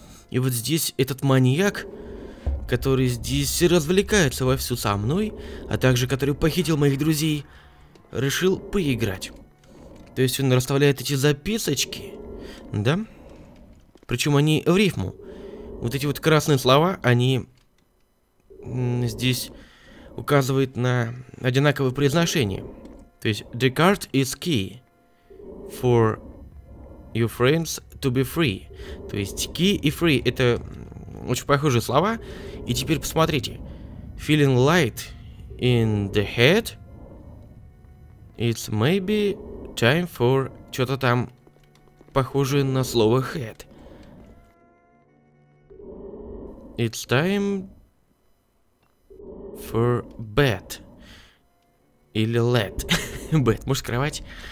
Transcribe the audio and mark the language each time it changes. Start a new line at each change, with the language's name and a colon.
Russian: И вот здесь этот маньяк, который здесь развлекается вовсю со мной, а также который похитил моих друзей, решил поиграть. То есть он расставляет эти записочки, да? Причем они в рифму. Вот эти вот красные слова, они здесь указывают на одинаковое произношение. То есть
English: the card is key for your friends to be free.
Russian: То есть key и free — это очень похожие слова. И теперь посмотрите.
English: Feeling light in the head. It's maybe time for
Russian: что-то там похожее на слово
English: head. It's time for bed.
Russian: Или
English: let. Bed.
Russian: Может, кровать?